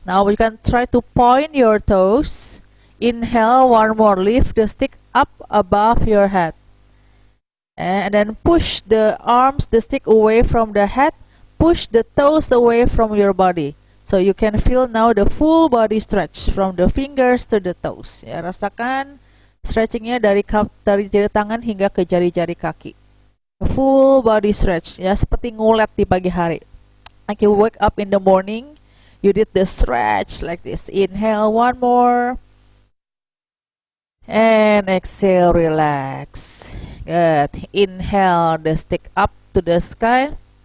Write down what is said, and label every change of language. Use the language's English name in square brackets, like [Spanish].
[English] Now you can try to point your toes. Inhale, one more. Lift the stick up above your head. And then push the arms, the stick away from the head. Push the toes away from your body. So you can feel now the full body stretch from the fingers to the toes. [Indonesian] Ya, rasakan stretchingnya dari jari tangan hingga ke jari-jari kaki. Full body stretch, ya, seperti ngulet di pagi hari. [English] Like you wake up in the morning, you did the stretch like this. Inhale, one more. And exhale, relax. Good. Inhale, the stick up to the sky.